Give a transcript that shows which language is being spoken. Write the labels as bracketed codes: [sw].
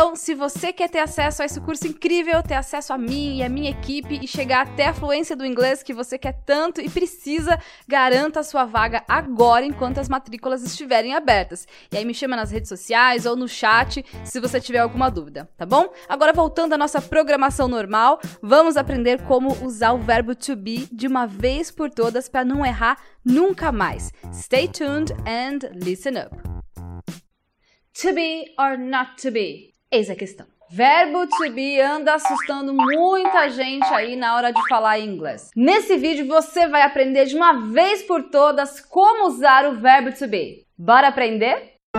[pt] Então, se você quer ter acesso a esse curso incrível, ter acesso a mim e a minha equipe e chegar até a fluência do inglês que você quer tanto e precisa, garanta sua vaga agora enquanto as matrículas estiverem abertas. E aí me chama nas redes sociais ou no chat se você tiver alguma dúvida, tá bom? Agora, voltando à nossa programação normal, vamos aprender como usar o verbo to be de uma vez por todas para não errar nunca mais. [en] Stay tuned and listen up. To be or not to be? [pt] Eis a questão. Verbo to be anda assustando muita gente aí na hora de falar inglês. Nesse vídeo você vai aprender de uma vez por todas como usar o verbo to be. Bora aprender?